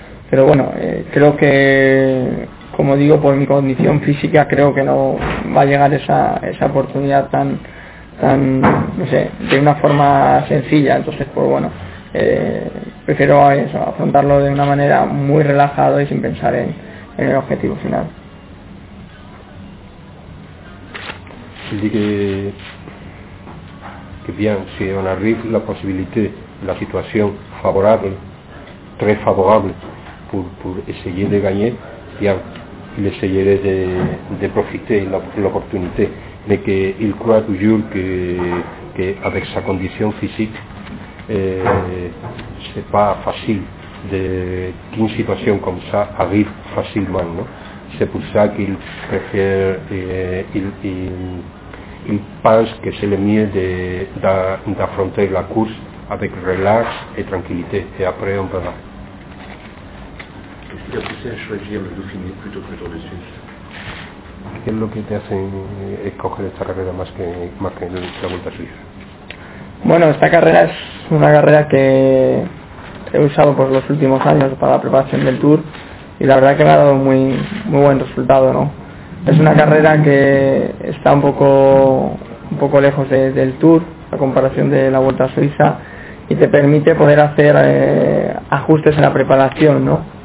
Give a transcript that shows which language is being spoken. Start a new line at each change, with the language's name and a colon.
Spanish: Pero bueno, creo que, como digo, por mi condición física creo que no va a llegar esa oportunidad tan no sé, de una forma sencilla. Entonces pues bueno, prefiero eso, afrontarlo de una manera muy relajada y sin pensar en el objetivo final.
French: Il dit que bien, si on arrive la possibilité, la situation favorable, très favorable, pour essayer de gagner, bien, il essayerait de profiter l'opportunité, mais qu'il croit toujours que avec sa condition physique, c'est pas facile qu'une situation comme ça arrive facilement, non? C'est pour ça qu'il préfère, il pense que c'est le mieux d'affronter la course avec relax et tranquillité, et après on verra. Qu'est-ce qui t'a poussé à choisir le Dauphiné plutôt que le Tour de Suisse? Qu'est-ce qui t'a fait
Spanish: coger
French: cette
Spanish: carrera más que la Vuelta a Suiza? Bueno, esta carrera es una carrera que he usado pues los últimos años para la preparación del Tour y la verdad que me ha dado muy muy buen resultado, ¿no? Es una carrera que está un poco lejos del Tour, a comparación de la Vuelta a Suiza, y te permite poder hacer ajustes en la preparación, ¿no?